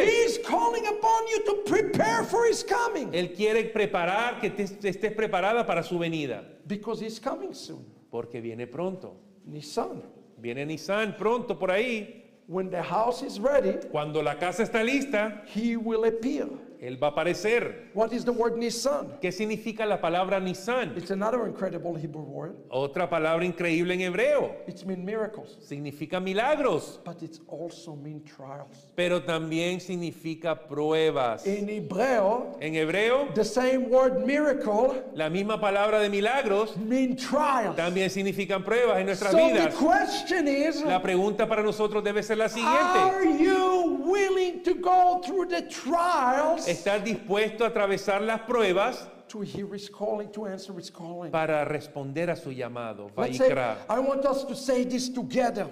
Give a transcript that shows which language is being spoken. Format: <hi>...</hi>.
<en>He is calling upon you to prepare for his coming.</en> <es>Él quiere preparar que te estés preparada para su venida.</es> <en>Because he's coming soon.</en> <es>Porque viene pronto.</es> <en>Nissan.</en> <es>Viene Nissan pronto por ahí.</es> <en>When the house is ready,</en> <es>cuando la casa está lista,</es> <en>he will appear.</en> <es>Él va a aparecer.</es> <en>What is the word Nissan?</en> <es>¿Qué significa la palabra Nissan?</es> <en>It's another incredible Hebrew word.</en> <es>Otra palabra increíble en hebreo.</es> <en>It means miracles.</en> <es>Significa milagros.</es> <en>But it also means trials.</en> <es>Pero también significa pruebas.</es> <en>In hebreo,</en> <es>en hebreo,</es> <en>the same word miracle,</en> <es>la misma palabra de milagros,</es> <en>mean trials.</en> <es>También significan pruebas en nuestras</es> <en>so</en> <es>vidas.</es> <en>So the question is,</en> <es>la pregunta para nosotros debe ser la siguiente.</es> <en>Are you willing to go through the trial?</en> <es>Estar dispuesto a atravesar las pruebas</es> <en>to hear his calling, to answer his calling.</en> <es>Para responder a su llamado.</es> <en>Let's say, I want us to say this together.</en>